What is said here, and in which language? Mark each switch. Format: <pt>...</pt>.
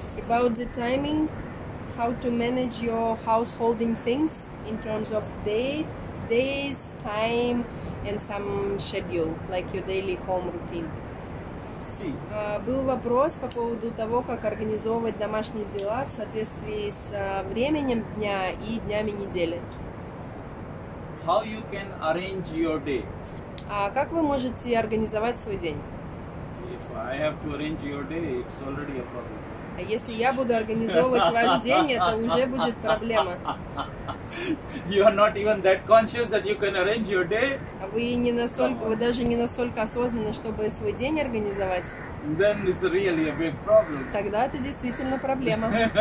<en>About the timing, how to manage your householding things in terms of days, time, and some schedule, like your daily home routine.</en> <ru>Был вопрос по поводу того, как организовывать домашние дела в соответствии с временем дня и днями недели.</ru> <en>How you can arrange your day?</en> <ru>А как вы можете организовать свой день?</ru> <en>If I have to arrange your day, it's already a problem.</en> <ru>А если я буду организовывать ваш день, это уже будет проблема.</ru> <en>You are not even that conscious that you can arrange your day.</en> <ru>Вы даже не настолько осознанны, чтобы свой день организовать.</ru> <en>Then it's really a big problem.</en> <ru>Тогда это действительно проблема.</ru>